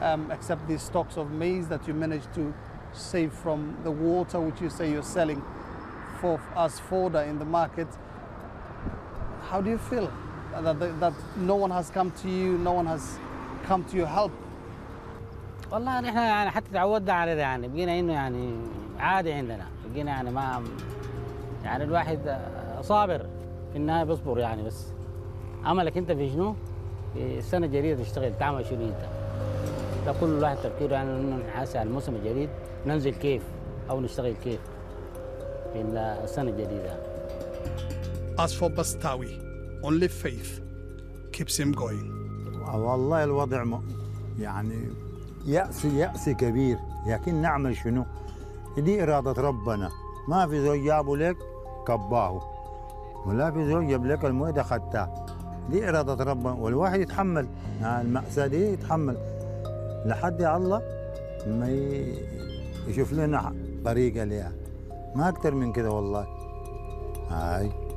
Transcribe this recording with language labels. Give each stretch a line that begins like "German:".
English: Except these stocks of maize that you managed to save from the water, which you say you're selling for as fodder in the market. How do you feel that no one has come to you, no one has come to your help?
Arabic: والله نحن يعني حتى تعودنا على ذا يعني بقينا إنه يعني عادي عندنا بقينا يعني ما يعني الواحد صابر في النهاية بصبر يعني بس عملك أنت في شنو السنة الجاية تشتغل تعمل شنو أنت كل واحد تفكيره يعني انه نحاسع على الموسم الجديد ننزل كيف او نشتغل كيف في السنه الجديده.
English: As for Bastawi, only faith keeps him going.
Arabic: والله الوضع يعني يأس يأس كبير، لكن نعمل شنو؟ دي إرادة ربنا. ما في زوج جابوا لك كباه، ولا في زوج جاب لك المؤيدة خدتها، دي إرادة ربنا. والواحد يتحمل المأساة دي، يتحمل لحد الله ما يشوف لنا طريقة ليها، ما أكتر من كده والله. هاي